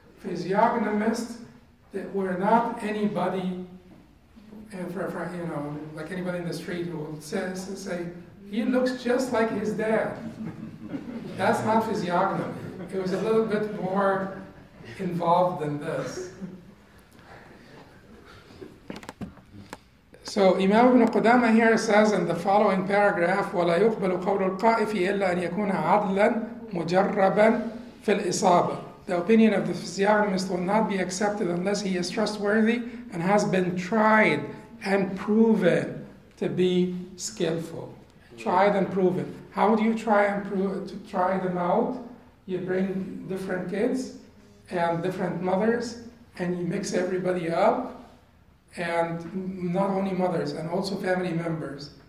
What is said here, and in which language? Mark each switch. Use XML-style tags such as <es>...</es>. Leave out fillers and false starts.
<en>Physiognomists that were not anybody, you know, like anybody in the street who says, say, he looks just like his dad. That's not physiognomy. It was a little bit more involved than this. So Imam ibn Qudama here says in the following paragraph,</en> <ar>وَلَا يُقْبَلُ قَوْلُ الْقَائِفِ إِلَّا أَنْ يَكُونَ عَدْلًا مُجَرَّبًا فِي الْإِصَابَةِ.</ar> <en>The opinion of the physiognomist will not be accepted unless he is trustworthy and has been tried and proven to be skillful. Tried and proven. How do you try and prove to try them out? You bring different kids and different mothers and you mix everybody up. And not only mothers, and also family members.</en>